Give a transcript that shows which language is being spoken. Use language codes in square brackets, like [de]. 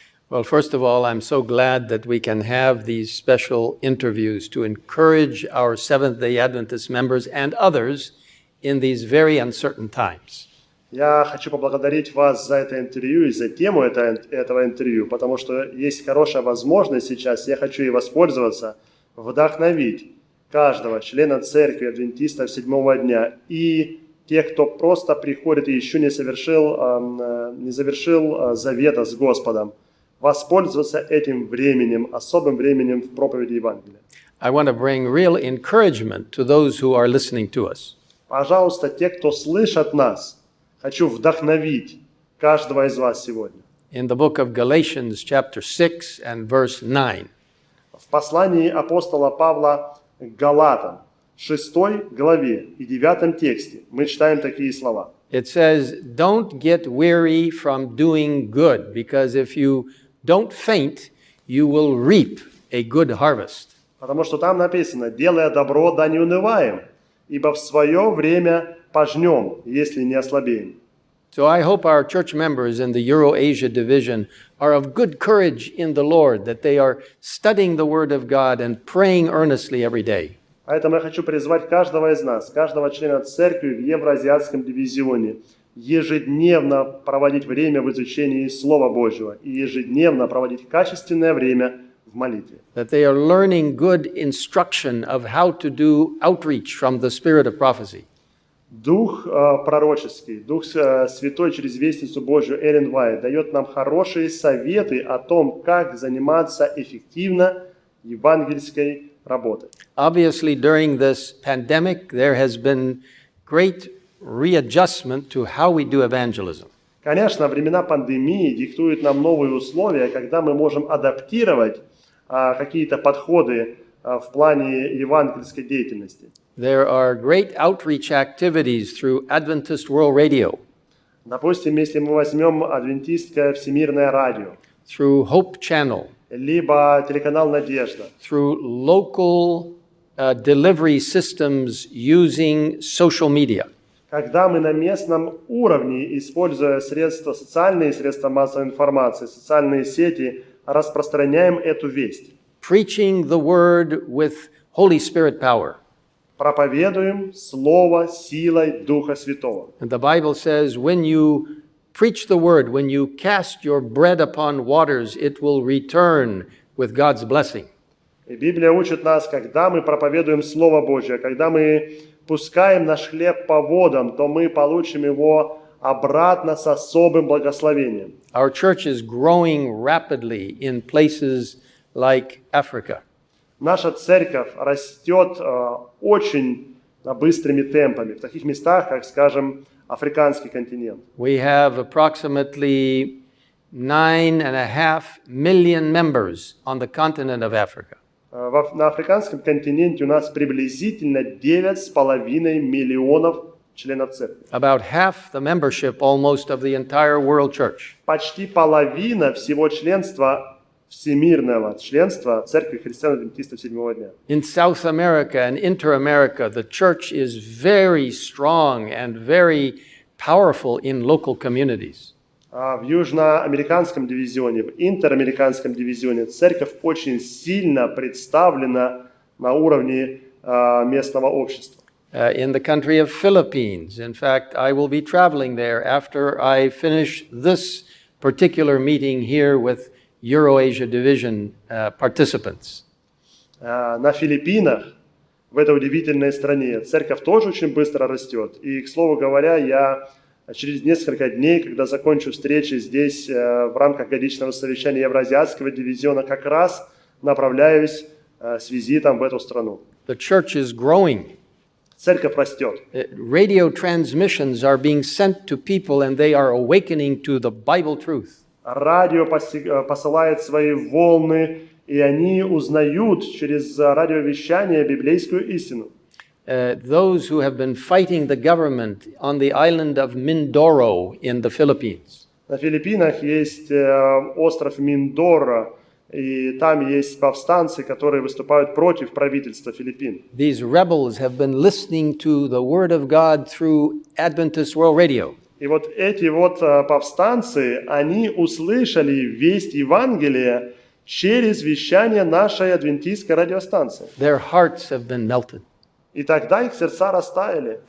[en] Well, first of all, I'm so glad that we can have these special interviews to encourage our Seventh-day Adventist members and others in these very uncertain times. [ru] Я хочу поблагодарить вас за это интервью и за тему этого интервью, потому что есть хорошая возможность сейчас, я хочу ей воспользоваться, вдохновить каждого члена церкви адвентистов седьмого дня и тех, кто просто приходит и еще не завершил завета с Господом, воспользоваться этим временем, особым временем в проповеди Евангелия. [en] I want to bring real encouragement to those who are listening to us. [ru] Пожалуйста, те, кто слышат нас, хочу вдохновить каждого из вас сегодня. [en] In the book of Galatians, chapter 6 and verse 9. [ru] В послании апостола Павла к Галатам, 6 главе и 9 тексте, мы читаем такие слова. [en] It says, don't get weary from doing good, because if you don't faint, you will reap a good harvest. [ru] Потому что там написано, делая добро, да не унываем, ибо в свое время пожнем, если не ослабеем. [en] So I hope our church members in the Euro-Asia division are of good courage in the Lord, that they are studying the Word of God and praying earnestly every day. [ru] Поэтому я хочу призвать каждого из нас, каждого члена церкви в Евразиатском дивизионе, ежедневно проводить время в изучении Слова Божьего и ежедневно проводить качественное время в молитве. [en] That they are learning good instruction of how to do outreach from the Spirit of Prophecy. [ru] Дух пророческий, Дух Святой через Вестницу Божью Эллен Уайт дает нам хорошие советы о том, как заниматься эффективно евангельской работой. [en] Obviously, during this pandemic, there has been great readjustment to how we do evangelism. [ru] Конечно, времена пандемии диктуют нам новые условия, когда мы можем адаптировать какие-то подходы в плане евангельской деятельности. [en] There are great outreach activities through Adventist World Radio. [ru] Допустим, если мы возьмем адвентистское всемирное радио. [en] Through Hope Channel. [ru] Либо телеканал Надежда. [en] Through local delivery systems using social media. [ru] Когда мы на местном уровне, используя средства, социальные средства массовой информации, социальные сети, распространяем эту весть. [en] Preaching the word with Holy Spirit power. [ru] Проповедуем Слово силой Духа Святого. [en] And the Bible says, when you preach the word, when you cast your bread upon waters, it will return with God's blessing. [ru] И Библия учит нас, когда мы проповедуем Слово Божие, когда мы пускаем наш хлеб по водам, то мы получим его обратно с особым благословением. [en] Our church is growing rapidly in places like Africa. [ru] Наша церковь растет очень быстрыми темпами в таких местах, как, скажем, африканский континент. [en] We have approximately 9.5 million members on the continent of Africa. [ru] На африканском континенте у нас приблизительно 9.5 миллионов членов церкви. [en] About half the membership almost of the entire world church. [ru] Почти половина всего членства всемирного членства Церкви Христиан-Адвентистов Седьмого дня. [en] In South America and Inter-America, the church is very strong and very powerful in local communities. [ru] В южноамериканском дивизионе, в интерамериканском дивизионе, церковь очень сильно представлена на уровне местного общества. [en] In the country of Philippines, in fact, I will be traveling there after I finish this particular meeting here with Euro-Asia Division participants. [ru] На Филиппинах, в этой удивительной стране, церковь тоже очень быстро растет. И, к слову говоря, я Через несколько дней, когда закончу встречи здесь, в рамках годичного совещания Евразиатского дивизиона, как раз направляюсь с визитом в эту страну. [en] The church is growing. [ru] Церковь растет. [en] Radio transmissions are being sent to people, and they are awakening to the Bible truth. [ru] Радио посылает свои волны, и они узнают через радиовещание библейскую истину. [en] Those who have been fighting the government on the island of Mindoro in the Philippines. [ru] На Филиппинах есть остров Миндоро, и там есть повстанцы, которые выступают против правительства Филиппин. [en] These rebels have been listening to the word of God through Adventist World Radio. [ru] И вот эти вот повстанцы, они услышали весть Евангелия через вещание нашей адвентистской радиостанции. [en] Their hearts have been melted. [ru] И тогда их сердца растаяли.